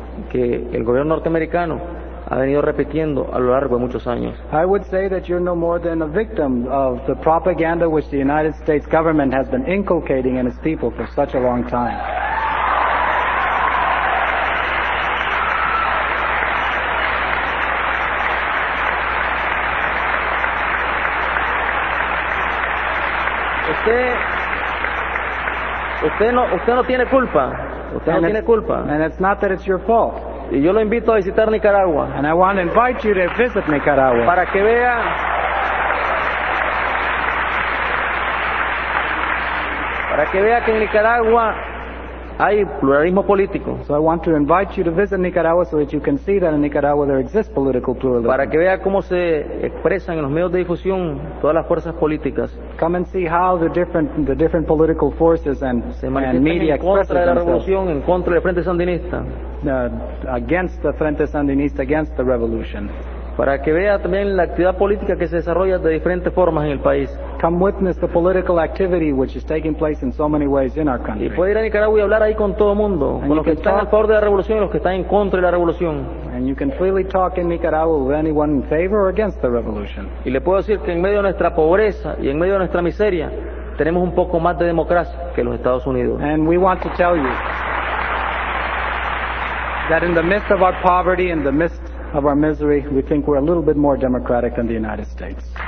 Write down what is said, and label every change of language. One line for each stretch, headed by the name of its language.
Spanish: que el gobierno norteamericano ha venido repitiendo a lo largo de muchos años.
English: I would say that you're no more than a victim of the propaganda which the United States government has been inculcating in its people for such a long time.
Spanish: Usted no tiene culpa.
English: And it's not that it's your fault.
Spanish: Y yo lo invito a visitar Nicaragua.
English: And I want to invite you to visit Nicaragua.
Spanish: Para que vea. Para que vea que en Nicaragua hay pluralismo político.
English: So I want to invite you to visit Nicaragua so that you can see that in Nicaragua there exists political pluralism.
Spanish: Para que vea cómo se expresan en los medios de difusión todas las fuerzas políticas.
English: Come and see how the different political forces and media express themselves.
Spanish: La revolución en contra del Frente Sandinista.
English: Against the Frente Sandinista, against the revolution.
Spanish: Para que vea también la actividad política que se desarrolla de diferentes formas en el país.
English: Come witness the political activity which is taking place in so many ways in our country.
Spanish: Y puede ir a Nicaragua y hablar ahí con todo mundo, con los que están a favor de la revolución y los que están en contra de la revolución.
English: And you can freely talk in Nicaragua with anyone in favor or against the revolution.
Spanish: Y le puedo decir que en medio de nuestra pobreza y en medio de nuestra miseria tenemos un poco más de democracia que los Estados Unidos.
English: And we want to tell you that in the midst of our poverty, in the midst of our misery, we think we're a little bit more democratic than the United States.